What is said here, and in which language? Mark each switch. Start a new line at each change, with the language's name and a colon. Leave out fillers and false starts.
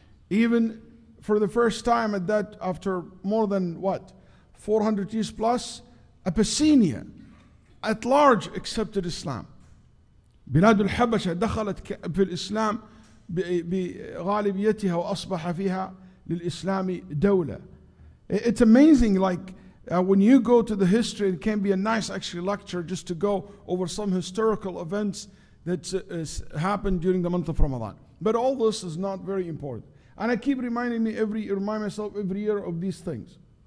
English: Even for the first time at that, after more than what, 400 years plus, Abyssinia at large accepted Islam.
Arabic: بلاد الحبشة دخلت في الإسلام بغالبيتها وأصبح فيها للإسلام دولة.
English: It's amazing, like when you go to the history, it can be a nice actually lecture just to go over some historical events that happened during the month of Ramadan. But all this is not very important. And I keep reminding me every year of these things.